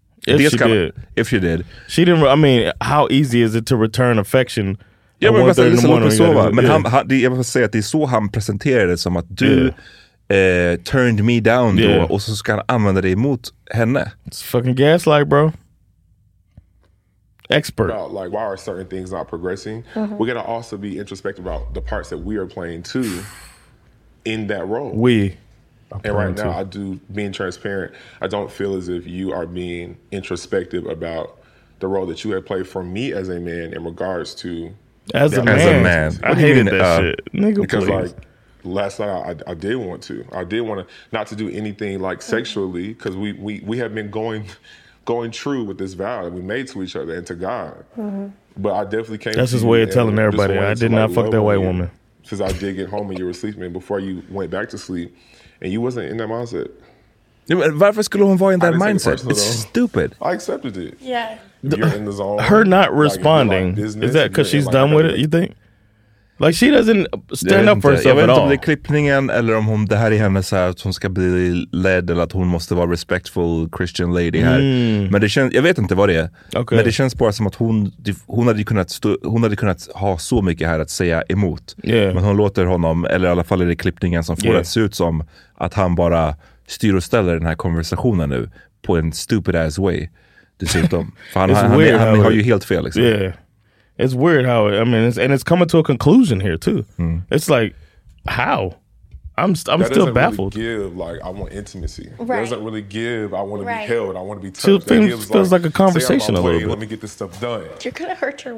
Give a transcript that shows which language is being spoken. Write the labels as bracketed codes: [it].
[en] If she did. She didn't, I mean, how easy is it to return affection? [sv] Ja, men jag bara säger, jag bara säger att det är så han presenterade det, som att du... turned me down då, och så ska han använda det emot henne. [en] It's fucking gaslight, bro. Expert. About, like, why are certain things not progressing? Mm-hmm. We gotta also be introspective about the parts that we are playing too in that role. We. And right now, I do, being transparent, I don't feel as if you are being introspective about the role that you have played for me as a man in regards to... As a man. I hated that shit. Nigga, because, please. Like, last night, I did want to. I did want to not to do anything like sexually, because we have been going true with this vow that we made to each other and to God. Mm-hmm. But I definitely came. That's his way of telling everybody. I did not fuck that white woman. Because I did get home and you were sleeping before you went back to sleep, and you wasn't in that mindset. [sv] Varför skulle hon vara in that mindset? [en] It's stupid. I accepted it. Yeah. You're in the zone. Her not responding, like, business, is that because she's done with it? You think? Like, she doesn't stand up for herself at all. [sv] Jag vet inte om det är klippningen eller om det här är hennes här, att hon ska bli ledd eller att hon måste vara respectful Christian lady här. Men det känns, jag vet inte vad det är. [en] Okay. [sv] Men det känns bara som att hon hade kunnat ha så mycket här att säga emot. [en] Yeah. [sv] Men hon låter honom, eller i alla fall är det klippningen som får det se ut som att han bara styr och ställer den här konversationen nu på en stupid ass way. Dessutom. För han har ju helt fel liksom. [en] Yeah. It's weird how it, I mean, it's, and it's coming to a conclusion here too. Mm. It's like, how? I'm still baffled. Really give, like, I want intimacy. Right. Doesn't really give. I want to be held. I want to be touched. It feels like a conversation a little bit. Let me get this stuff done. You're gonna hurt your.